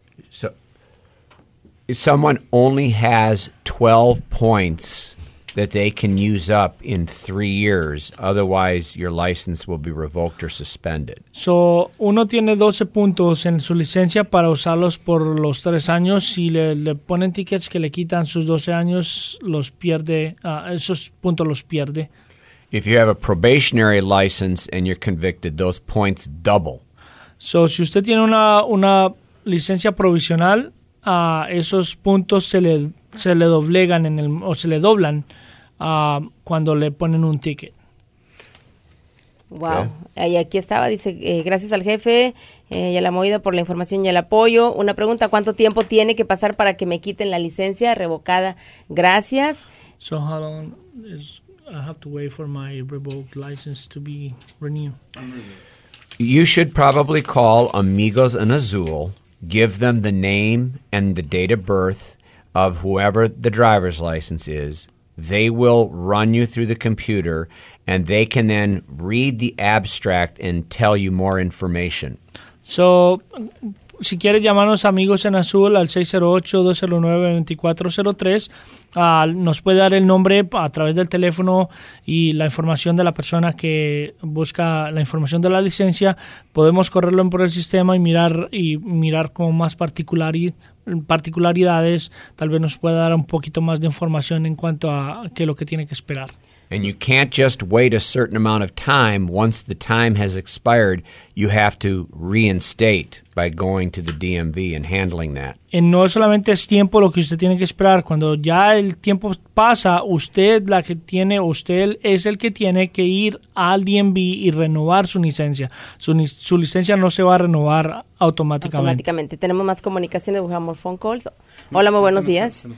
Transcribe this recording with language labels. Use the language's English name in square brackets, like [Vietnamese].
[English] So, if someone only has 12 points that they can use up in 3 years, otherwise your license will be revoked or suspended. [Spanish] So, uno tiene 12 puntos en su licencia para usarlos por los 3 años. Si le ponen tickets que le quitan sus 12 años, los pierde, esos puntos los pierde. [English] If you have a probationary license and you're convicted, those points double. [Spanish] So, si usted tiene una licencia provisional, esos puntos se le doblegan o se le doblan cuando le ponen un ticket. [English] Wow. Okay. [Spanish] Y aquí estaba, dice, gracias al jefe y a la movida por la información y el apoyo. Una pregunta: ¿cuánto tiempo tiene que pasar para que me quiten la licencia revocada? Gracias. [English] So how long is I have to wait for my revoked license to be renewed? You should probably call Amigos en Azul, give them the name and the date of birth of whoever the driver's license is. They will run you through the computer and they can then read the abstract and tell you more information. So [Spanish] si quieres llamarnos Amigos en Azul al 608-209-2403, nos puede dar el nombre a través del teléfono y la información de la persona que busca la información de la licencia. Podemos correrlo por el sistema y mirar con más particularidades. Tal vez nos pueda dar un poquito más de información en cuanto a qué es lo que tiene que esperar. [English] And you can't just wait a certain amount of time. Once the time has expired, you have to reinstate by going to the DMV and handling that. [Spanish] Y no solamente es tiempo lo que usted tiene que esperar. Cuando ya el tiempo pasa, usted es el que tiene que ir al DMV y renovar su licencia. Su licencia no se va a renovar automáticamente. Tenemos más comunicaciones. [English] We have more phone calls. [Spanish] Hola, muy buenos días.